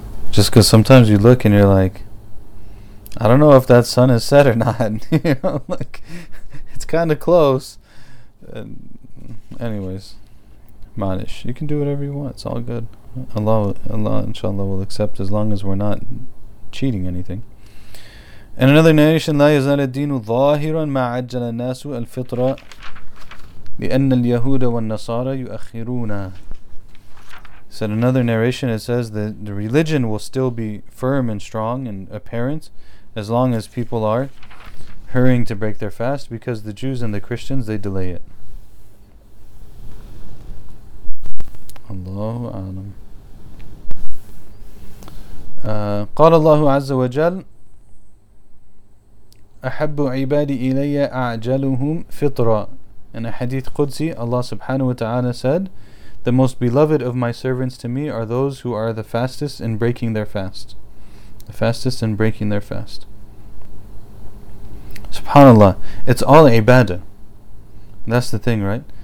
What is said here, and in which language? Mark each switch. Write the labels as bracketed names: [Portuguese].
[English] Just because sometimes you look and you're like, I don't know if that sun is set or not. You know, like, it's kind of close. Anyways, manish, you can do whatever you want. It's all good. Allah, inshallah, will accept as long as we're not cheating anything. And another narration, [Arabic] لا يزال الدين ظاهرا ما عجل الناس الفطرة لأن اليهود والنصارى يؤخرون. [English] So in another narration, it says that the religion will still be firm and strong and apparent as long as people are hurrying to break their fast, because the Jews and the Christians, they delay it. Allahu alam. [Arabic] قال الله عز وجل أحب عبادي إلي أعجلهم فطرة. [English] In a hadith Qudsi, Allah subhanahu wa ta'ala said, the most beloved of my servants to me are those who are the fastest in breaking their fast. The fastest in breaking their fast. SubhanAllah, it's all ibadah. That's the thing, right?